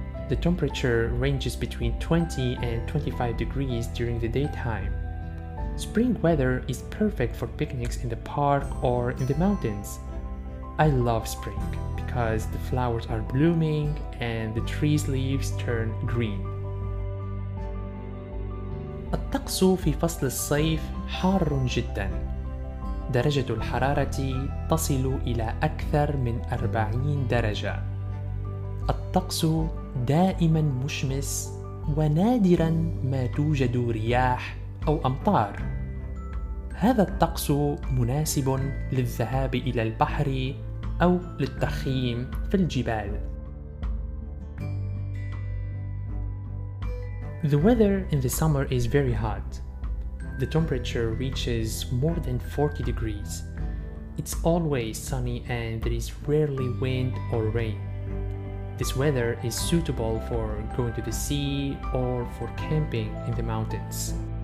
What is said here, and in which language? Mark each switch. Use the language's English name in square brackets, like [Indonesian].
[English] The temperature ranges between 20 and 25 degrees during the daytime. Spring weather is perfect for picnics in the park or in the mountains. I love spring because the flowers are blooming and the trees' leaves turn green. [Arabic] الطقس في فصل الصيف حار جدا. درجة الحرارة تصل إلى أكثر من 40 درجة. الطقس دائما مشمس ونادرا ما توجد رياح أو أمطار. هذا الطقس مناسب للذهاب إلى البحر أو للتخييم في الجبال. [English] The weather in the summer is very hot. The temperature reaches more than 40 degrees. It's always sunny and there is rarely wind or rain. This weather is suitable for going to the sea or for camping in the mountains.